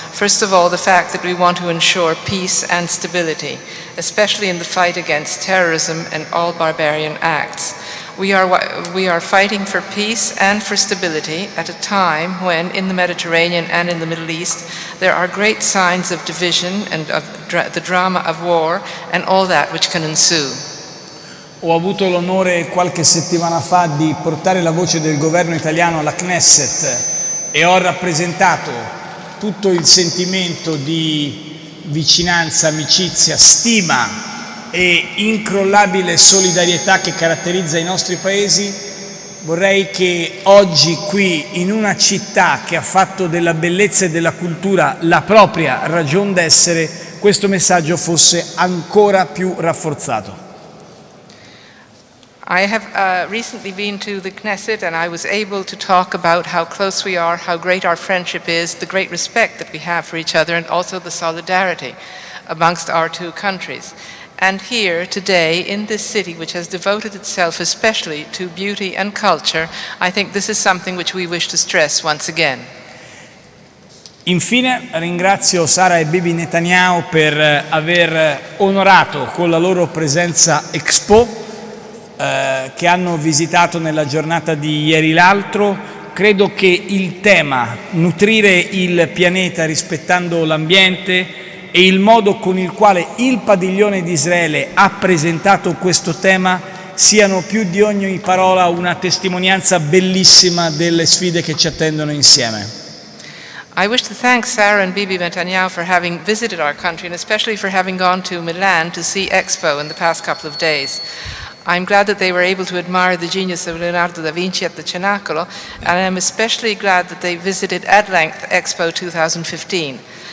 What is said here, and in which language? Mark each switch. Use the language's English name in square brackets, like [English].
[English] First of all, the fact that we want to ensure peace and stability, especially in the fight against terrorism and all barbarian acts. We are fighting for peace and for stability at a time when, in the Mediterranean and in the Middle East, there are great signs of division and of the drama of war and all that which can ensue. [Italian] Ho avuto l'onore qualche settimana fa di portare la voce del governo italiano alla Knesset e ho rappresentato tutto il sentimento di vicinanza, amicizia, stima e incrollabile solidarietà che caratterizza i nostri paesi. Vorrei che oggi qui, in una città che ha fatto della bellezza e della cultura la propria ragion d'essere, questo messaggio fosse ancora più rafforzato. [English] I have recently been to the Knesset and I was able to talk about how close we are, how great our friendship is, the great respect that we have for each other and also the solidarity amongst our two countries. And here today in this city which has devoted itself especially to beauty and culture, I think this is something which we wish to stress once again. [Italian] Infine ringrazio Sara e Bibi Netanyahu per aver onorato con la loro presenza Expo che hanno visitato nella giornata di ieri l'altro, credo che il tema nutrire il pianeta rispettando l'ambiente e il modo con il quale il padiglione di Israele ha presentato questo tema siano più di ogni parola una testimonianza bellissima delle sfide che ci attendono insieme. [English] I wish to thank Sarah and Bibi Netanyahu for having visited our country and especially for having gone to Milan to see Expo in the past couple of days. I'm glad that they were able to admire the genius of Leonardo da Vinci at the Cenacolo, and I'm especially glad that they visited at length Expo 2015.